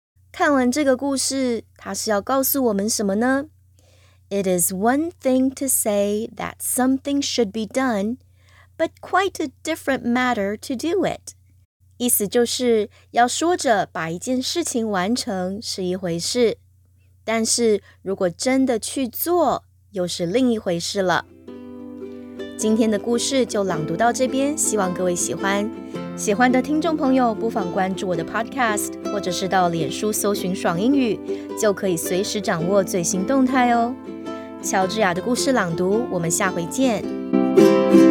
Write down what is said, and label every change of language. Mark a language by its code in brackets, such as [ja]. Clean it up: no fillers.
[zh] 看完这个故事，它是要告诉我们什么呢？ [en] It is one thing to say that something should be done, but quite a different matter to do it. [zh] 意思就是要说着把一件事情完成是一回事，但是如果真的去做又是另一回事了。今天的故事就朗读到这边，希望各位喜欢。喜欢的听众朋友不妨关注我的 podcast， 或者是到脸书搜寻爽英语，就可以随时掌握最新动态哦。乔治亚的故事朗读，我们下回见。